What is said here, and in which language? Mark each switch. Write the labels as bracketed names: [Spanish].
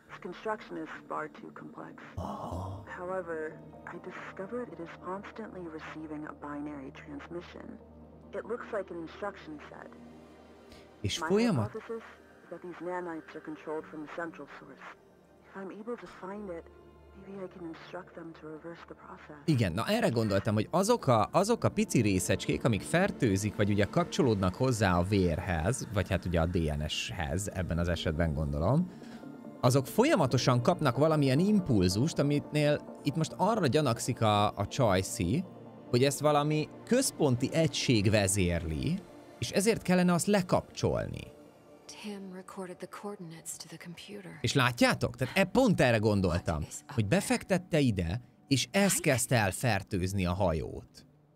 [English] Construction is far too complex. However, I discovered it is constantly receiving a binary transmission. It looks like an instruction set. [Hungarian] És folyamat? [English] My hypothesis is that these nanites are controlled from the central source. If I'm able to find it, maybe I can instruct them to reverse the process. [Hungarian] Igen, na erre gondoltam, hogy azok a pici részecskék, amik fertőzik, vagy ugye kapcsolódnak hozzá a vérhez, vagy hát ugye a DNS-hez, ebben az esetben gondolom, azok folyamatosan kapnak valamilyen impulzust, amitnél itt most arra gyanakszik a Choice, hogy ezt valami központi egység vezérli, és ezért kellene azt lekapcsolni. [English] Tim recorded the coordinates to the computer. [Hungarian] És látjátok? Tehát pont erre gondoltam, hogy befektette ide, és ez kezdte el fertőzni a hajót.